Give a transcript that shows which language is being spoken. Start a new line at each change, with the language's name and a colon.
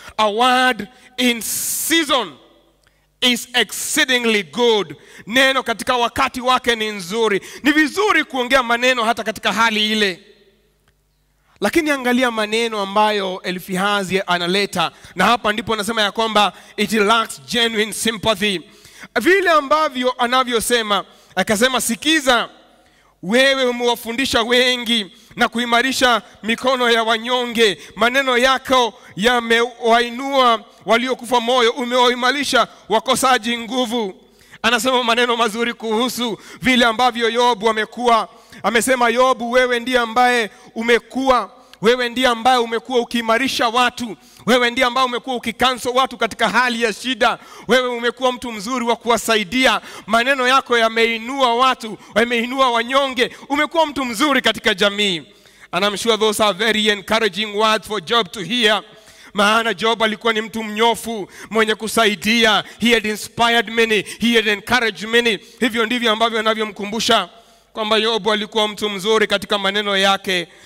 English: A word in season is exceedingly good.
Swahili: Neno katika wakati wake ni nzuri. Ni vizuri kuongea maneno hata katika hali ile. Lakini angalia maneno ambayo Elifazi analeta, na hapa ndipo nasema ya kwamba
English: it lacks genuine sympathy.
Swahili: Vile ambavyo anavyosema, akasema sikiza, wewe umewafundisha wengi na kuimarisha mikono ya wanyonge. Maneno yako yamewainua waliokufa moyo, umewaimarisha wakosaji nguvu. Anasema maneno mazuri kuhusu vile ambavyo Yobu amekuwa. Amesema Yobu, wewe ndiye ambaye umekuwa ukiimarisha watu. Wewe ndiye ambaye umekuwa ukikanso watu katika hali ya shida. Wewe umekuwa mtu mzuri wa kuwasaidia. Maneno yako yameinua watu, yameinua wanyonge. Umekuwa mtu mzuri katika jamii.
English: And I'm sure those are very encouraging words for Job to hear.
Swahili: Maana Job alikuwa ni mtu mnyofu, mwenye kusaidia.
English: He had inspired many, he had encouraged many.
Swahili: Hivyo ndivyo ambavyo anavyomkumbusha kwamba Yobu alikuwa mtu mzuri katika maneno yake.